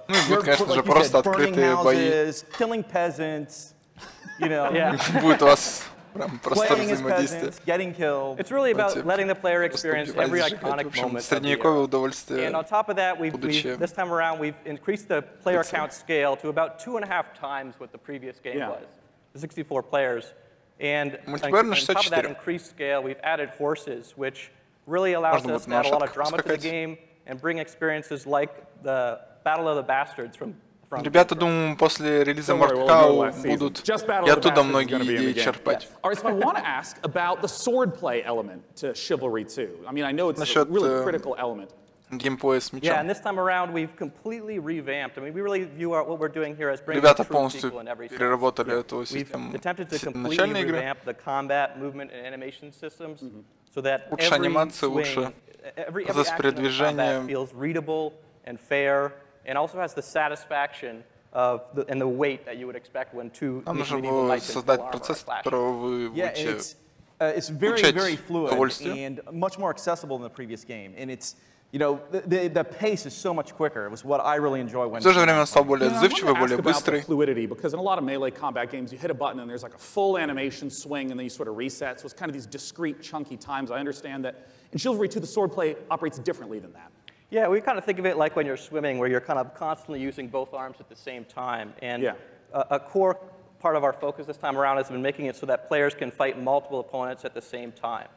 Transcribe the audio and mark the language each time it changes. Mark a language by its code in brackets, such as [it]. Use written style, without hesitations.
[ru] Ну и будет, конечно же, просто открытые бои. Будет у вас прям просто взаимодействие. [en] It's really about letting the player experience every iconic moment. [ru] Средневековое удовольствие. [en] And on top of that, this time around we've increased the player count scale to about 2.5 times what the previous game was. 64 players. And on top of that increased scale, we've added horses, which really allows us to add a lot of drama to the game and bring experiences like the Battle of the Bastards from [ru] Ребята, думаю, после релиза Мортка будут и оттуда многие идеи черпать. [en] I want to ask about the swordplay element to Chivalry 2. I mean, I know it's a really critical element. [ru] Геймплея с мечом. [en] Yeah, and this time around we've completely revamped. I mean, we really view our, what we're doing here as bringing true sequel in every sense. [ru] Ребята полностью переработали эту систему. [en] We've attempted to completely revamp the combat, movement, and animation systems so that [ru] лучше анимация, лучше [en] передвижение feels readable and fair. And also has the satisfaction of the, and the weight that you would expect when two medieval knights in full armor clash. Yeah, it's very, very fluid and much more accessible than the previous game. And it's, you know, the pace is so much quicker. It was what I really enjoy when. [ru] В то же время он стал более отзывчивый, более быстрый. [en] Fluidity, because in a lot of melee combat games, you hit a button and there's like a full animation swing and then you sort of reset. So it's kind of these discrete, chunky times. I understand that in Chivalry 2, the swordplay operates differently than that. Yeah, we kind of think of it like when you're swimming, where you're kind of constantly using both arms at the same time. And a core part of our focus this time around has been making it so that players can fight multiple opponents at the same time.